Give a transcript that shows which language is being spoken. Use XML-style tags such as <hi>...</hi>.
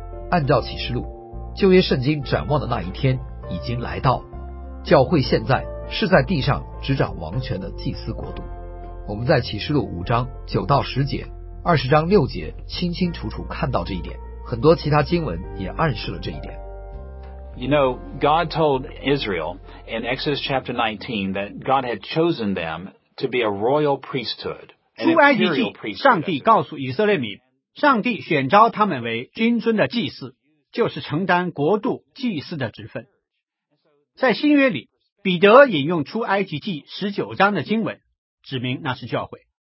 <zh>按照启示录，旧约圣经展望的那一天已经来到，教会现在是在地上执掌王权的祭司国度。我们在启示录五章九到十节二十章六节清清楚楚看到这一点，很多其他经文也暗示了这一点。</zh> <en>You know, God told Israel in Exodus chapter 19 that God had chosen them to be a royal priesthood.</en> <zh>出埃及记，上帝告诉以色列民，上帝选召他们为君尊的祭司，就是承担国度祭司的职分。在新约里，彼得引用出埃及记十九章的经文，指明那是教会。</zh>